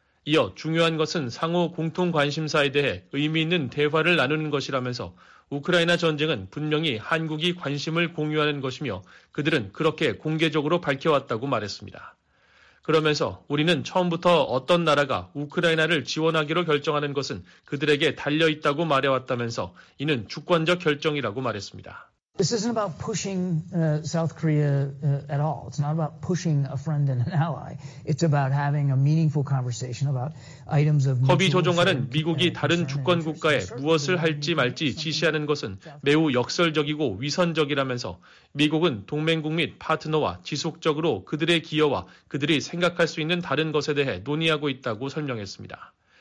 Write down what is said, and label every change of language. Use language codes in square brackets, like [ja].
[ko] 이어 중요한 것은 상호 공통 관심사에 대해 의미 있는 대화를 나누는 것이라면서 우크라이나 전쟁은 분명히 한국이 관심을 공유하는 것이며 그들은 그렇게 공개적으로 밝혀왔다고 말했습니다. 그러면서 우리는 처음부터 어떤 나라가 우크라이나를 지원하기로 결정하는 것은 그들에게 달려있다고 말해왔다면서 이는 주권적 결정이라고 말했습니다. [en] This isn't about pushing South Korea at all. It's not about pushing a friend and an ally. It's about having a meaningful conversation about items of. [ko] 커비 조정관은 미국이 다른 주권 국가에 무엇을 할지 말지 지시하는 것은 매우 역설적이고 위선적이라면서 미국은 동맹국 및 파트너와 지속적으로 그들의 기여와 그들이 생각할 수 있는 다른 것에 대해 논의하고 있다고 설명했습니다.